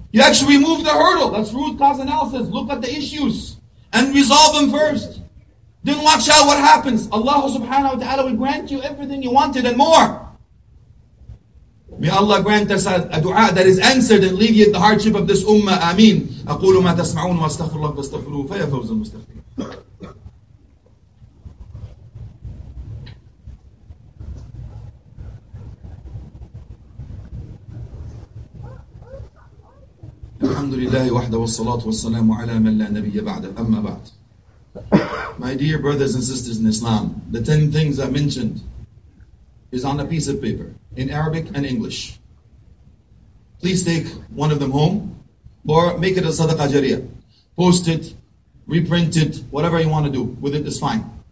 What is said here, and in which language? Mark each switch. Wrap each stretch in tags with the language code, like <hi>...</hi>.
<en>You actually remove the hurdle. That's root cause analysis. Look at the issues and resolve them first. Then watch out what happens. Allah subhanahu wa ta'ala will grant you everything you wanted and more. May Allah grant us a dua that is answered and alleviate the hardship of this ummah. Ameen.</en> <ar>أقول ما تسمعون واستغفر الله واستغفروه فيا فوز المستغفرين. الحمد لله وحده والصلاة والسلام على من لا نبي بعده أما بعد.</ar> <en>My dear brothers and sisters in Islam, the 10 things I mentioned is on a piece of paper in Arabic and English. Please take one of them home or make it a sadaqah jariyah. Post it, reprint it, whatever you want to do with it is fine.</en>